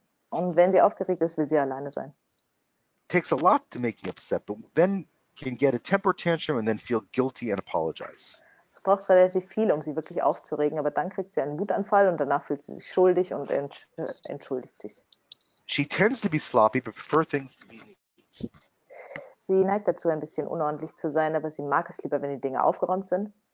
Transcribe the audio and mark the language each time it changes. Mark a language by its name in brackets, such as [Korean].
[German] Und wenn sie aufgeregt ist, will sie alleine sein. [English] Takes a lot to make me upset, but then can get a temper tantrum and then feel guilty and apologize. [German] Es braucht relativ viel, um sie wirklich aufzuregen, aber dann kriegt sie einen Wutanfall und danach fühlt sie sich schuldig und entschuldigt sich. [English] She tends to be sloppy, but prefer things to be neat. [German] Sie neigt dazu, ein bisschen unordentlich zu sein, aber sie mag es lieber, wenn die Dinge aufgeräumt sind.